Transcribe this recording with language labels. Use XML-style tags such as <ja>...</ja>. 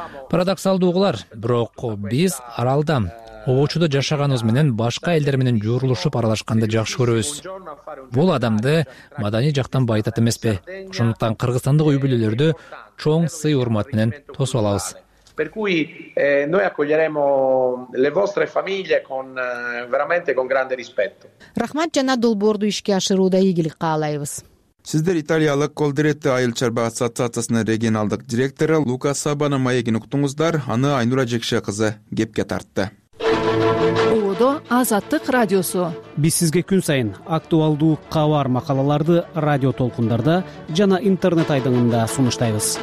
<ky>Парадоксалдуу угулар, бирок биз аралда обочудо жашаганыбыз менен башка элдер менен жуурулушуп аралашканды жакшы көрөбүз. Бул адамды маданий жактан байытат эмеспи? Ошондуктан кыргызстандык үй бүлөлөрдү чоң сый урмат менен тосуп алабыз.</ky> <it>Per cui noi accoglieremo le vostre famiglie con veramente con grande rispetto.</it> <ky>Рахмат жана долбоорду ишке ашырууда ийгилик каалайбыз. Сиздер италиялык Колдиретти айыл чарба ассоциациясынын регионалдык директору Лука Сабанын маегин уктуңуздар, аны Айнура Жекше кызы кепке тартты. Оодо Азаттык радиосу. Биз сизге күн сайын актуалдуу кабар макалаларды радио толкундарда жана интернет айдыңында сунуштайбыз.</ky>